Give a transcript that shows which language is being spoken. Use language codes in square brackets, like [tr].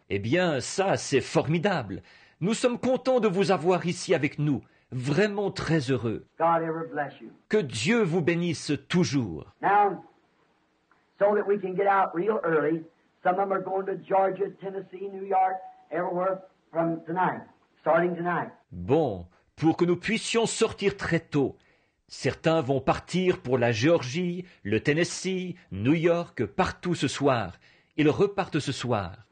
[fr] Eh bien, ça, c'est formidable. Nous sommes contents de vous avoir ici avec nous. Vraiment très heureux. [en] God ever bless you. [fr] Que Dieu vous bénisse toujours. [en] Now, so that we can get out real early, some of them are going to Georgia, Tennessee, New York, everywhere from tonight, starting tonight. [fr] Bon, pour que nous puissions sortir très tôt, certains vont partir pour la Géorgie, le Tennessee, New York, partout ce soir. Ils repartent ce soir.